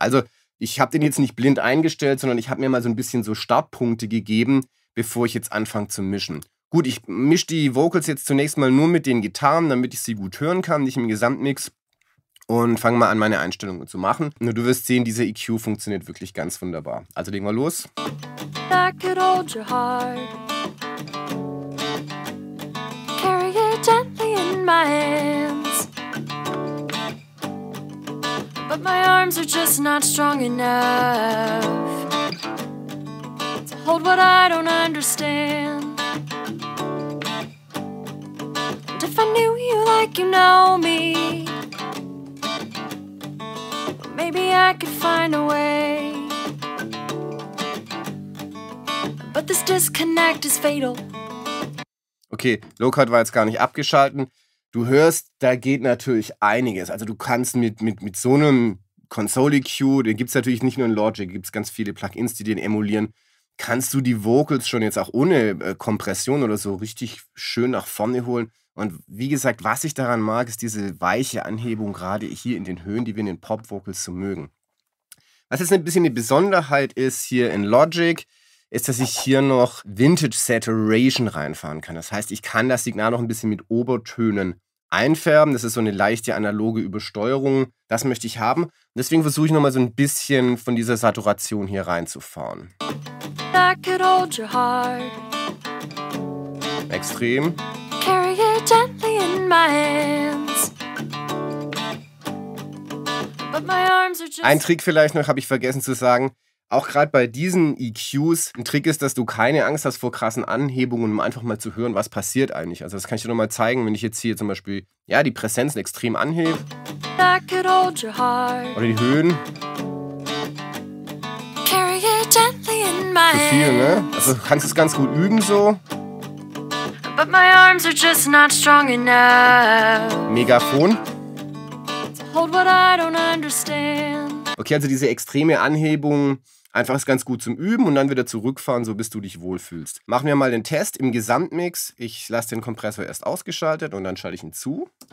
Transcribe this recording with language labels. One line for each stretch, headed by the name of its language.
German: Also ich habe den jetzt nicht blind eingestellt, sondern ich habe mir mal so ein bisschen so Startpunkte gegeben, bevor ich jetzt anfange zu mischen. Gut, ich mische die Vocals jetzt zunächst mal nur mit den Gitarren, damit ich sie gut hören kann, nicht im Gesamtmix. und fange mal an, meine Einstellungen zu machen. Nur du wirst sehen, dieser EQ funktioniert wirklich ganz wunderbar. Also legen wir los.
English: That could hold your heart. Carry it gently in my hands. But my arms are just not strong enough to hold what I don't understand. And if I knew you like you know me, maybe I could find a way. But this disconnect is fatal.
German: Okay, Low Cut war jetzt gar nicht abgeschalten. Du hörst, da geht natürlich einiges. Also du kannst mit so einem Console-EQ, den gibt es natürlich nicht nur in Logic, gibt es ganz viele Plugins, die den emulieren, kannst du die Vocals schon jetzt auch ohne Kompression oder so richtig schön nach vorne holen. Und wie gesagt, was ich daran mag, ist diese weiche Anhebung, gerade hier in den Höhen, die wir in den Pop-Vocals so mögen. Was jetzt ein bisschen eine Besonderheit ist hier in Logic, ist, dass ich hier noch Vintage Saturation reinfahren kann. Das heißt, ich kann das Signal noch ein bisschen mit Obertönen einfärben. Das ist so eine leichte analoge Übersteuerung. Das möchte ich haben. Und deswegen versuche ich nochmal so ein bisschen von dieser Saturation hier reinzufahren.
English: That could hold your heart.
German: Extrem.
English: Carry it gently in my hands. But my arms are just...
German: Ein Trick vielleicht noch, habe ich vergessen zu sagen. Auch gerade bei diesen EQs, ein Trick ist, dass du keine Angst hast vor krassen Anhebungen, um einfach mal zu hören, was passiert eigentlich. Also das kann ich dir nochmal zeigen, wenn ich jetzt hier zum Beispiel ja, die Präsenzen extrem anhebe.
English: That could hold your heart.
German: Oder die Höhen.
English: Carry it gently in my hands.
German: Zu viel, ne? Also du kannst es ganz gut üben so.
English: But my arms are just not strong enough.
German: Megafon.
English: To hold what I don't understand.
German: Okay, also diese extreme Anhebung, einfach ist ganz gut zum Üben und dann wieder zurückfahren, so bis du dich wohlfühlst. Machen wir mal den Test im Gesamtmix. Ich lasse den Kompressor erst ausgeschaltet und dann schalte ich ihn zu.